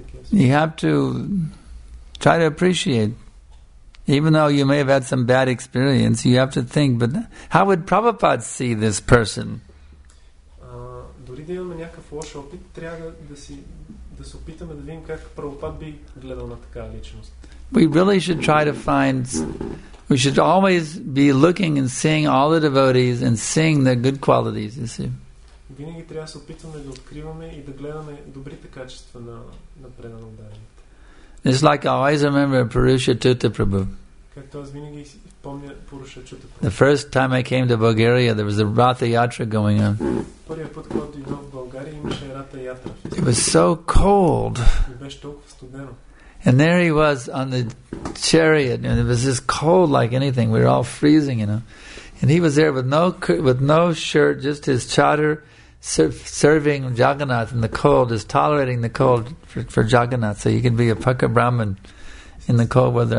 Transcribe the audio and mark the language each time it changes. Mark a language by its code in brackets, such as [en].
[en] You have to try to appreciate Even though you may have had some bad experience, you have to think, but how would Prabhupada see this person? [bg] Дори да имаме някакъв лош опит, трябва да се опитаме да видим как Прабхупад би гледал на такава личност. [en] We really should try to find, we should always be looking and seeing all the devotees and seeing their good qualities, you see. [bg] Винаги трябва да се опитваме да откриваме и да гледаме добрите качества на преданодарените. [en] It's like I always remember Purusha Tuta Prabhu. [bg] Както аз винаги помня Пуруша Чута [en] Прабху. The first time I came to Bulgaria, there was a Ratha Yatra going on. [bg] Първият път, когато идох в България, имаше Ратха Ятра. [en] It was so cold. [bg] И беше толкова студено. [en] And there he was on the chariot, and it was just cold like anything. We were all freezing, you know. And he was there with no shirt, just his chadar, serving Jagannath in the cold, just tolerating the cold for Jagannath, so he can be a Pukka Brahman in the cold weather.